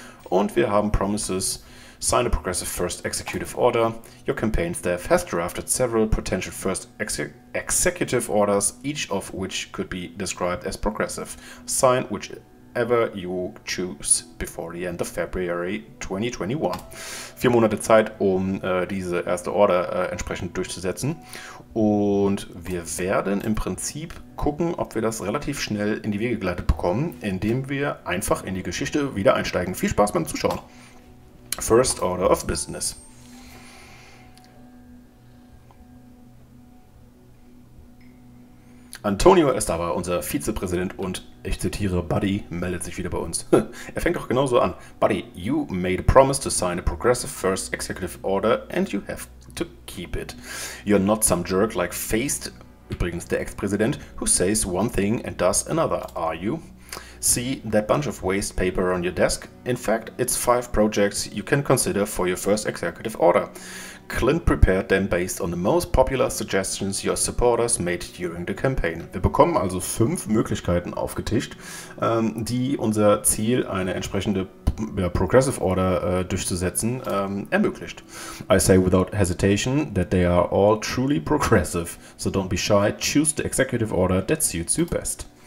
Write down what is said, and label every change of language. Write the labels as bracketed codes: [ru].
[de] Und wir haben [en] Promises, sign a progressive first executive order, your campaign staff has drafted several potential first executive orders, each of which could be described as progressive, sign whichever you choose before the end of February 2021. [de] 4 Monate Zeit, um diese erste Order entsprechend durchzusetzen. Und wir werden im Prinzip gucken, ob wir das relativ schnell in die Wege geleitet bekommen, indem wir einfach in die Geschichte wieder einsteigen. Viel Spaß beim Zuschauen. [en] First Order of Business. [de] Antonio Estaba, unser Vizepräsident und, ich zitiere, Buddy, meldet sich wieder bei uns. Er fängt auch genauso an. [en] Buddy, you made a promise to sign a progressive first executive order and you have to keep it. You're not some jerk like Faced, [de] übrigens der Ex-Präsident, [en] who says one thing and does another, are you? See that bunch of waste paper on your desk? In fact, it's 5 projects you can consider for your first executive order. Clint prepared them based on the most popular suggestions your supporters made during the campaign. [de] Wir bekommen also 5 Möglichkeiten aufgetischt, die unser Ziel, eine entsprechende Progressive Order durchzusetzen, ermöglicht. [en] I say without hesitation that they are all truly progressive, so don't be shy, choose the executive order that suits you best.